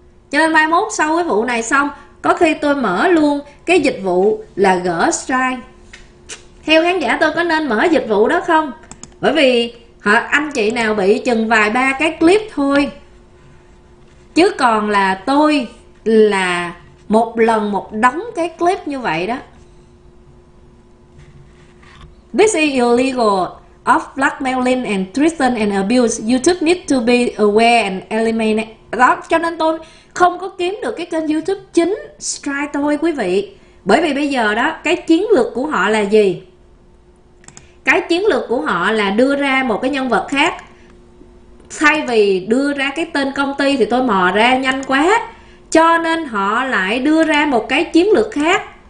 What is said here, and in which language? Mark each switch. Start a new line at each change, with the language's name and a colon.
Vietnamese: Cho nên mai mốt sau cái vụ này xong, có khi tôi mở luôn cái dịch vụ là gỡ strike. Theo khán giả tôi có nên mở dịch vụ đó không? Bởi vì anh chị nào bị chừng vài ba cái clip thôi, chứ còn là tôi là một lần một đống cái clip như vậy đó.
English: This is illegal of blackmailing and threaten and abuse. YouTube need to be aware and eliminate.
Vietnamese: Đó, cho nên tôi không có kiếm được cái kênh YouTube chính strike tôi quý vị. Bởi vì bây giờ đó, cái chiến lược của họ là gì? Cái chiến lược của họ là đưa ra một cái nhân vật khác. Thay vì đưa ra cái tên công ty thì tôi mò ra nhanh quá, cho nên họ lại đưa ra một cái chiến lược khác.